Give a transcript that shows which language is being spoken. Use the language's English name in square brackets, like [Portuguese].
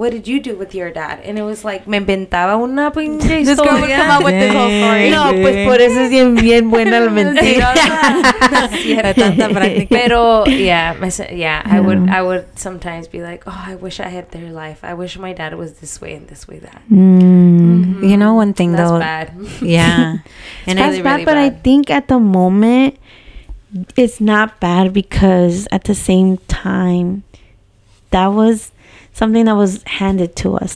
[English] What did you do with your dad? And it was like, [Spanish] me inventaba una pinche historia. [English] This girl would come up with this whole story. [Spanish] No, pues por eso es bien, bien buena la mentira. [English] Pero, I would sometimes be like, oh, I wish I had their life. I wish my dad was this way and this way that. Mm. Mm-hmm. You know, one thing that's though. That's bad. Yeah. And that's really, really bad. But I think at the moment, it's not bad, because at the same time, that was something that was handed to us.